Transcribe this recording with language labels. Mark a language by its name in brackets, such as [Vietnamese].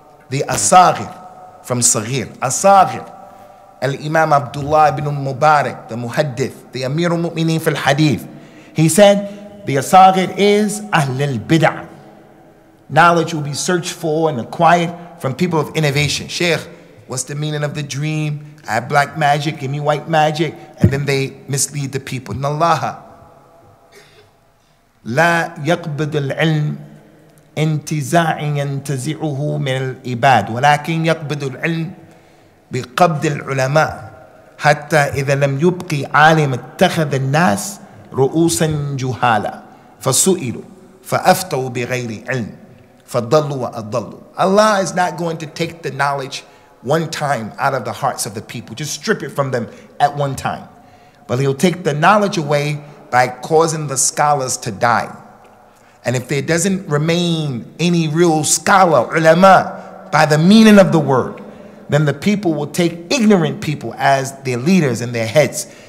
[English] The asagir. From Sagir, Asagir, Al Imam Abdullah ibn Mubarak, the Muhaddith, the Amir al Mu'mineen fil Hadith, he said, the Asagir is Ahl al Bid'ah. Knowledge will be searched for and acquired from people of innovation. Sheikh, what's the meaning of the dream? I have black magic, give me white magic. And then they mislead the people. [Arabic] Nallaha, La yaqbid al ilm. انتزاع ينتزعه من العباد ولكن يقبض العلم بقبض العلماء حتى إذا لم يبقي عالم اتخذ الناس رؤوسا جهالا فسئلوا فأفتوا بغير علم فضلوا وأضلوا. [English] Allah is not going to take the knowledge one time out of the hearts of the people, just strip it from them at one time, but he'll take the knowledge away by causing the scholars to die. And if there doesn't remain any real scholar, ulama, by the meaning of the word, then the people will take ignorant people as their leaders and their heads.